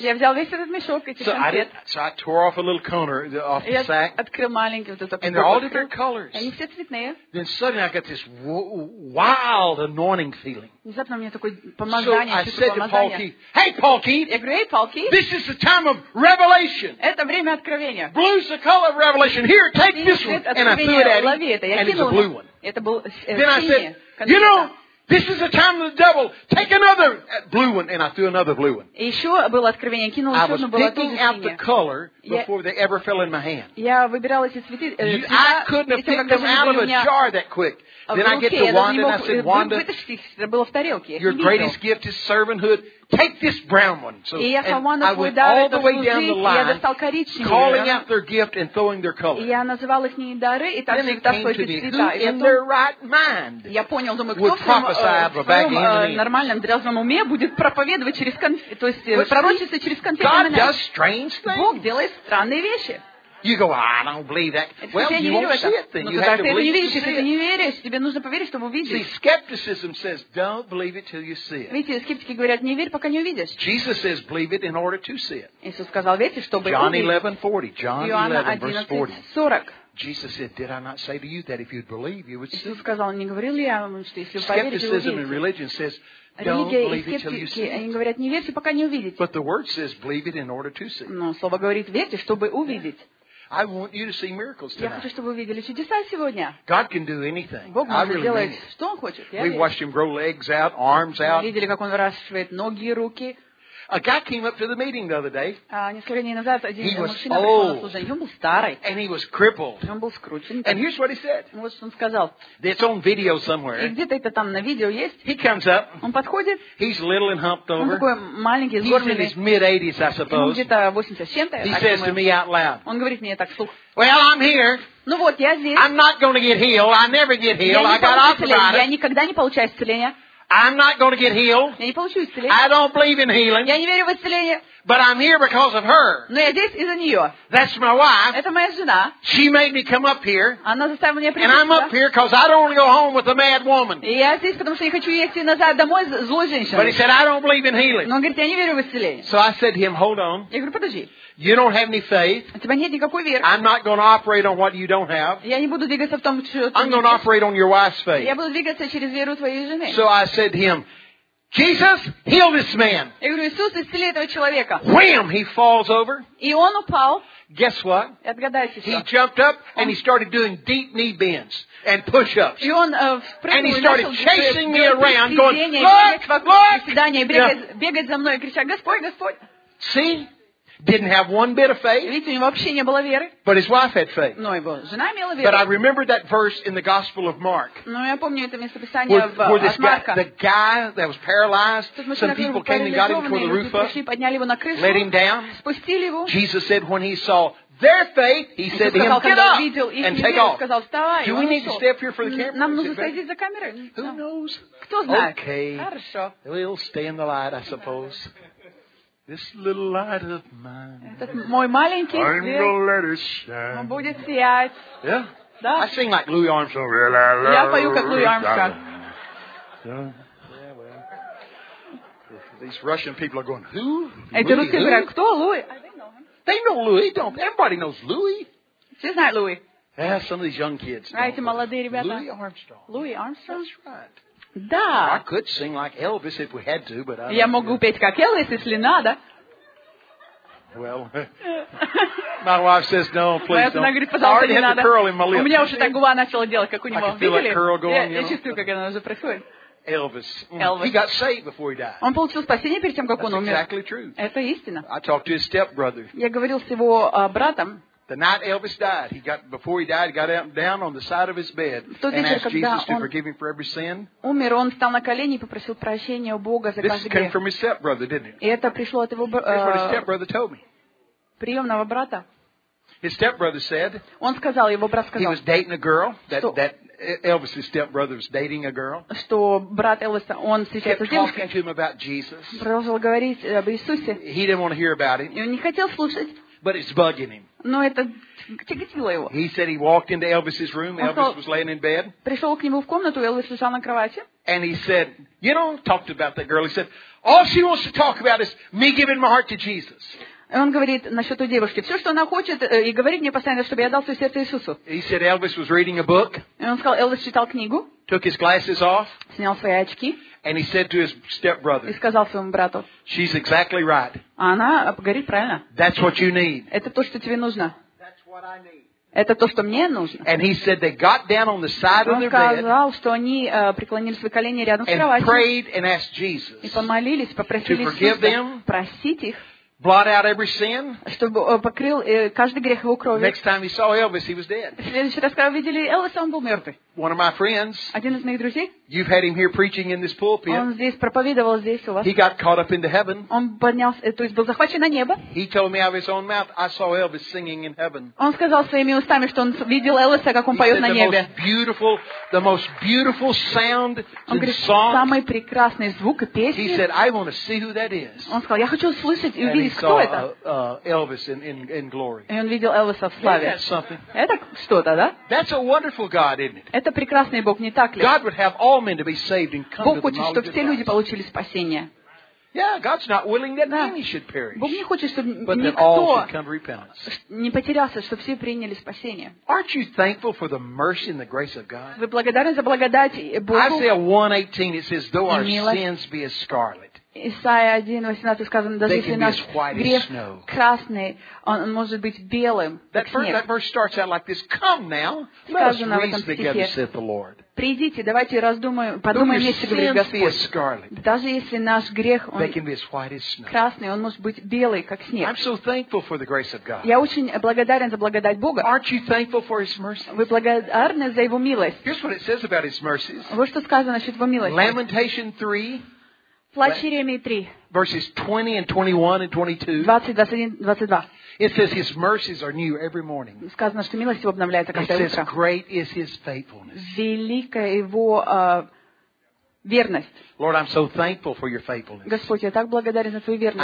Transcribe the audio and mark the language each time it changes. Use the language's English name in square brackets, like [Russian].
[Russian] Я взял весь этот мешок, эти конфеты. [English] So I tore off a little corner off the sack. [Russian] Я открыл маленький вот этот [English] And they're all different colors. [Russian] Они все цветные. [English] Then suddenly I got this wild anointing feeling. [Russian] Внезапно у меня такое помазание. [English] So I said to Paul Keith, Hey, Paul Keith. [Russian] Я говорю, Эй, Paul Keith. [English] This is the time of revelation. [Russian] Это время откровения. [English] Blue's the color of revelation. Here, take this one. And I threw it at him. And it's a blue one. [Russian] Это был синий. [English] Then I said, You know. This is the time of the devil. Take another blue one, and I threw another blue one. [Russian] Еще было откровение, кинул еще одно было. [English] I was picking out the color before they ever fell in my hand. [Russian] Я выбирал эти цветы. [English] I couldn't have picked them out of a jar that quick. Then I get to Wanda and I said, Wanda, [Russian] это было в тарелке. [English] Your greatest gift is servanthood. Take this brown one. So, and I went all the way down the line, calling out their gift and throwing their color. [Russian] Я называл их не дары, и так же та свой цвета. [English] In their right mind, [Russian] я понял, думаю, кто в своем нормальном дрезвом уме будет проповедовать через конфет, то есть пророчиться через конфет. [English] God does strange things. [Russian] Бог делает странные вещи. [English] You go, I don't believe that. Well, you won't see it then. You have to believe to see it. [Russian] Если ты не веришь, тебе нужно поверить, чтобы увидеть. [English] See, skepticism says, don't believe it till you see it. [Russian] Видите, скептики говорят, не верь, пока не увидишь. [English] Jesus says, believe it in order to see it. [Russian] Иисус сказал, верьте, чтобы увидеть. [English] John 11:40. Jesus said, did I not say to you that if you'd believe, you would see it? [Russian] Иисус сказал, не говорил ли я вам, что если вы поверите, увидите? [English] Skepticism and religion says, Don't believe it till you see. [Russian] Они говорят, не верьте, пока не увидите. [English] But the word says, believe it in order to see. [Russian] Но слово говорит, верьте, чтобы увидеть. [English] I want you to see miracles tonight. [Russian] Я хочу, чтобы вы видели чудеса сегодня. [English] God can do anything. [Russian] Бог может [English] really [Russian] делать, что Он хочет. [English] We watched Him grow legs out, arms out. [Russian] Видели, как Он выращивает ноги и руки. [English] A guy came up to the meeting the other day. [Russian] Несколько дней назад один мужчина пришел на служение. Он был старый. [English] And he was crippled. [Russian] Он был скручен. [English] And here's what he said. [Russian] Вот что он сказал. [English] It's on video somewhere. [Russian] И где-то это там на видео есть. [English] He comes up. [Russian] Он подходит. [English] He's little and humped over. [Russian] Он такой маленький, [English] He's [Russian] сгорбленный. [English] He's in his mid-80s, I suppose. [Russian] Где-то 80 с чем-то. [English] He says to me out loud. [Russian] Он говорит мне так вслух. [English] Well, I'm here. [Russian] Ну вот я здесь. [English] I'm not going to get healed. I never get healed. I got arthritis. [Russian] Я никогда не получаю исцеления. [English] I'm not going to get healed. [Russian] Я не получу исцеление. [English] I don't believe in healing. [Russian] Я не верю в исцеление. [English] But I'm here because of her. [Russian] Но я здесь из-за нее. [English] That's my wife. [Russian] Это моя жена. [English] She made me come up here. [Russian] Она заставила меня прийти. [English] And I'm up here because I don't want to go home with a mad woman. [Russian] И я здесь, потому что я хочу ехать назад домой с злой женщиной. [English] But he said, I don't believe in healing. [Russian] Но он говорит, я не верю в исцеление. [English] So I said to him, hold on. [Russian] Я говорю, подожди. [English] You don't have any faith. [Russian] У тебя нет никакой веры. [English] I'm not going to operate on what you don't have. [Russian] Я не буду двигаться в том, что [English] I'm going to operate on your wife's faith. [Russian] Я буду двигаться через веру твоей жены. [English] So I said to him, Jesus, heal this man. [Russian] Я говорю, Иисус, исцели этого человека. [English] Wham! He falls over. [Russian] И он упал. [English] Guess what? He jumped up and he started doing deep knee bends and push-ups. And he started chasing me around, going, look, look! See? Didn't have one bit of faith. [Russian] Видите, у него вообще не было веры. [English] But his wife had faith. [Russian] Но его жена имела веру. [English] But I remember that verse in the Gospel of Mark. [Russian] Но я помню это местописание от Марка. [English] The guy that was paralyzed, some people came and got him to the roof up, let him down. [Russian] Спустили его. [English] Jesus said when he saw their faith, he said to him, get up and take off. [Russian] Сказал, вставай. [English] Do we need to stay up here for the camera? [Russian] Нам нужно стоять за камерой. [English] Who knows? [Russian] Кто знает? [English] Okay. [Russian] Хорошо. [English] We'll stay in the light, I suppose. This little light of mine. [Russian] Этот мой маленький свет. [English] I'm gonna let it shine. [Russian] Он будет сиять. [English] Yeah. [Russian] Да. [English] I sing like Louis Armstrong. [Russian] Я пою как Луи Армстронг. [English] Yeah, well. These Russian people are going, who? [Russian] Эти Louis, русские говорят, кто Луи? [English] They know Louis, don't they? Everybody knows Louis. [Russian] Все знают Луи. [English] Yeah, some of these young kids. [Russian] А эти молодые ребята. [English] Louis Armstrong. Louis Armstrong. That's right. [Russian] Да. [English] I could sing like Elvis if we had to, but I don't. [Russian] Я могу петь как Элвис, если надо. [English] Well, my wife says no, please don't. [Russian] Моя жена говорит, пожалуйста, не надо. [English] Curl in my lip. [Russian] У меня уже так губа начала делать, как у него. [English] I feel [Russian] видели? [English] Curl going, [Russian] я, [English] you know? [Russian] Я чувствую, как она уже происходит. [English] Elvis. Elvis. He got saved before he died. [Russian] Он получил спасение перед тем, как [English] That's [Russian] он умер. [English] Exactly true. [Russian] Это истина. [English] I talked to his stepbrother. [Russian] Я говорил с его братом. [English] The night Elvis died, he got before he died, got down on the side of his bed and asked Jesus to forgive him for every sin. [Russian] Умер, он встал на колени и попросил прощения у Бога за каждый грех. [English] This came from his stepbrother, didn't it? [Russian] Это пришло от его [English] stepbrother told me. [Russian] Приемного брата. [English] His stepbrother said. [Russian] Он сказал, его брат сказал. [English] He was dating a girl that Elvis's stepbrother was dating a girl. [Russian] Что брат Элвиса, он встречается с девушкой. [English] Talking to him about Jesus. [Russian] Продолжал говорить об Иисусе. [English] He didn't want to hear about it. [Russian] И он не хотел слушать. [English] But it's bugging him. [Russian] Но это тяготило его. [English] He said he walked into Elvis's room. Elvis was laying in bed. [Russian] Пришел к нему в комнату, Элвис лежал на кровати. [English] And he said, you know, talked about that girl. He said, all she wants to talk about is me giving my heart to Jesus. [Russian] И он говорит насчет той девушки. Все, что она хочет, и говорит мне постоянно, чтобы я дал свое сердце Иисусу. [English] He said Elvis was reading a book. [Russian] И он сказал, Элвис читал книгу. [English] Took his glasses off. [Russian] Снял свои очки. [English] And he said to his stepbrother. [Russian] И сказал своему брату. [English] She's exactly right. [Russian] Она говорит правильно. [English] That's what you need. [Russian] Это то, что тебе нужно. [English] That's what I need. [Russian] Это то, что мне нужно. [English] And he said they got down on the side [Russian] он сказал, что они преклонили свои колени рядом с кроватью. [English] And prayed and asked Jesus. [Russian] И помолились, попросили Иисуса простить их. [English] Blot out every sin. [Russian] Чтобы покрыл каждый грех его кровью. [English] Next time he saw Elvis, he was dead. [Russian] В следующий раз, когда видели Элвиса, он был мертвый. [English] One of my friends. [Russian] Один из моих друзей. [English] You've had him here preaching in this pulpit. [Russian] Он здесь проповедовал здесь у вас. [English] He got caught up into heaven. [Russian] Он поднялся, то есть был захвачен на небо. [English] He told me out of his own mouth, I saw Elvis singing in heaven. [Russian] Он сказал своими устами, что он видел Элвиса, как он поет на небе. [English] He said the most beautiful sound and song. [Russian] Самый прекрасный звук и песня. [English] He said, I want to see who that is. [Russian] Он сказал, я хочу услышать и увидеть. [English] He saw Elvis in glory. [Russian] И он видел Элвиса в славе. [English] Yeah, that's something. [Russian] Это что-то, да? [English] That's a wonderful God, isn't it? [Russian] Это прекрасный Бог, не так ли? [English] God would have all men to be saved and come to the knowledge of Christ. [Russian] Бог хочет, чтобы все люди получили спасение. [English] Yeah, God's not willing that any should perish. [Russian] Бог не хочет, чтобы [English] but [Russian] никто [English] that all should come to repentance. [Russian] Не потерялся, чтобы все приняли спасение. [English] Aren't you thankful for the mercy and the grace of God? [Russian] Вы благодарны за благодать Бога? [English] Isaiah 1:18 it says, though our sins be as scarlet. [Russian] Исайя 1:18 сказано, даже если наш грех красный, он может быть белым, как снег. [English] That verse starts out like this: Come now, let us reason together, saith the Lord. [Russian] Придите, давайте раздумаем, подумаем вместе, говорит Господь. Даже если наш грех он красный, он может быть белый, как снег. [English] I'm so thankful for the grace of God. [Russian] Я очень благодарен за благодать Бога. [English] Aren't you thankful for His mercy? [Russian] Вы благодарны за Его милость? [English] Here's what it says about His mercies. [Russian] Вот что сказано насчет Его милости. [English] Lamentation 3. [Russian] Плач Иеремии 3. [English] Verses 20 and 21 and 22. It says His mercies are new every morning. [Russian] Сказано, что милость Его обновляется каждое утро. [English] It says great is His faithfulness. [Russian] Велика Его верность. [English] Lord, I'm so thankful for Your faithfulness. [Russian] Господь, я так благодарен за Твою верность.